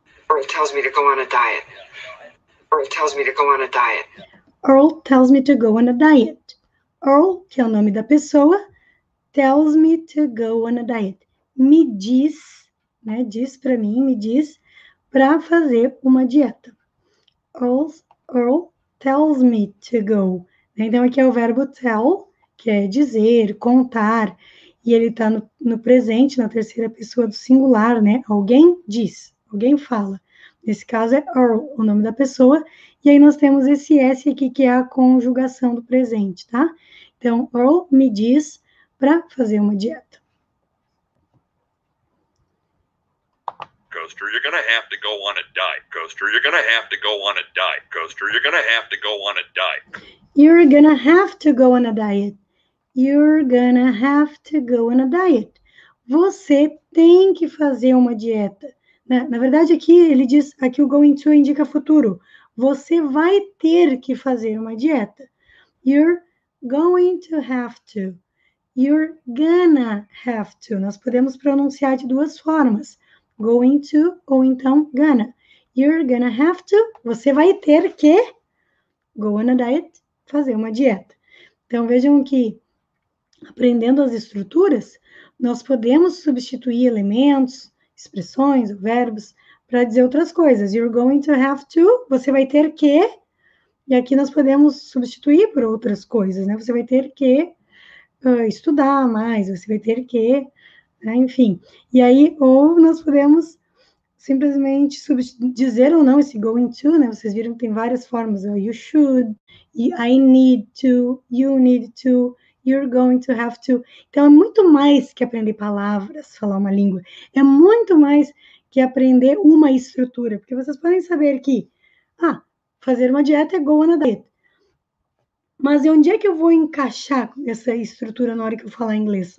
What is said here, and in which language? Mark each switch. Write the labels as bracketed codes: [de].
[en] Earl tells me to go on a diet. Earl tells me to go on a diet. Earl tells me to go on a diet. [pt] Earl, que é o nome da pessoa, [en] tells me to go on a diet. [pt] Me diz, né? Diz para mim, me diz, para fazer uma dieta. Earl [en] tells me to go. [pt] Então, aqui é o verbo tell, que é dizer, contar. E ele está no presente, na terceira pessoa do singular, né? Alguém diz, alguém fala. Nesse caso é Earl, o nome da pessoa. E aí nós temos esse S aqui, que é a conjugação do presente, tá? Então, Earl me diz para fazer uma dieta. [en] Coaster, you're gonna have to go on a diet. Coaster, you're gonna have to go on a diet. Coaster, you're gonna have to go on a diet. You're gonna have to go on a diet. You're gonna have to go on a diet. [pt] Você tem que fazer uma dieta. Na verdade, aqui ele diz, aqui o going to indica futuro. Você vai ter que fazer uma dieta. [en] You're going to have to. You're gonna have to. [pt] Nós podemos pronunciar de duas formas. Going to ou então gonna. [en] You're gonna have to. [pt] Você vai ter que [en] go on a diet. [pt] Fazer uma dieta. Então, vejam que, aprendendo as estruturas, nós podemos substituir elementos, expressões, verbos, para dizer outras coisas. [en] You're going to have to, [pt] você vai ter que, e aqui nós podemos substituir por outras coisas, né? Você vai ter que estudar mais, você vai ter que, né? Enfim. E aí, ou nós podemos simplesmente dizer ou não esse going to, né? Vocês viram que tem várias formas. [en] You should, I need to, you need to, you're going to have to. [pt] Então, é muito mais que aprender palavras, falar uma língua. É muito mais que aprender uma estrutura. Porque vocês podem saber que, fazer uma dieta é [en] go on a diet. [pt] Mas onde é que eu vou encaixar essa estrutura na hora que eu falar inglês?